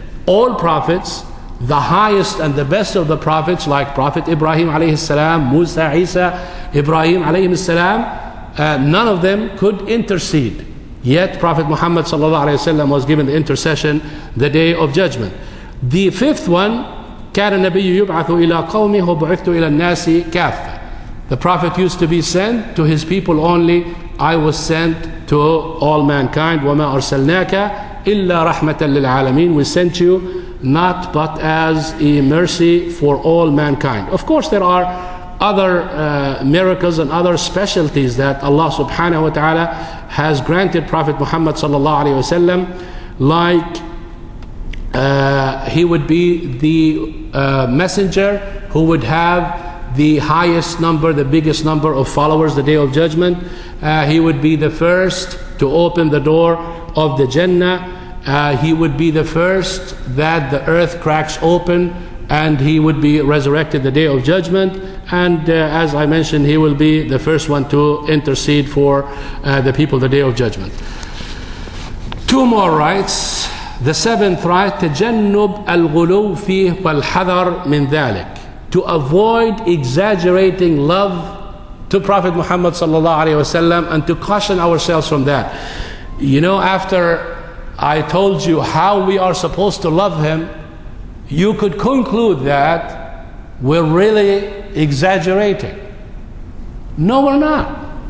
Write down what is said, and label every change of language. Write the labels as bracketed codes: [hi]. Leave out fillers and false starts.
[en] All prophets, the highest and the best of the prophets, like Prophet Ibrahim alayhi salam, Musa, Isa, Ibrahim alayhi salam, none of them could intercede. Yet Prophet Muhammad sallallahu alayhi wasallam was given the intercession the day of judgment. The fifth one, [ar] كَانَ النَّبِيُّ يُبْعَثُ إِلَىٰ قَوْمِهُ وَبُعِثُ إِلَىٰ النَّاسِ كَافَّ. [en] The Prophet used to be sent to his people only. I was sent to all mankind. [ar] وَمَا أَرْسَلْنَاكَ إِلَّا رَحْمَةً لِلْعَالَمِينَ. [en] We sent you not but as a mercy for all mankind. Of course, there are other miracles and other specialties that Allah subhanahu wa ta'ala has granted Prophet Muhammad sallallahu alayhi wasallam, like he would be the messenger who would have the highest number, the biggest number of followers the day of judgment. He would be the first to open the door of the Jannah. He would be the first that the earth cracks open, and he would be resurrected the day of judgment. And as I mentioned, he will be the first one to intercede for the people the day of judgment. Two more rites. The seventh right, [ar] تجنب الغلو فيه والحذر من ذلك. [en] To avoid exaggerating love to Prophet Muhammad sallallahu alaihi wasallam, and to caution ourselves from that. You know, after I told you how we are supposed to love him, you could conclude that we're really exaggerating. No, we're not.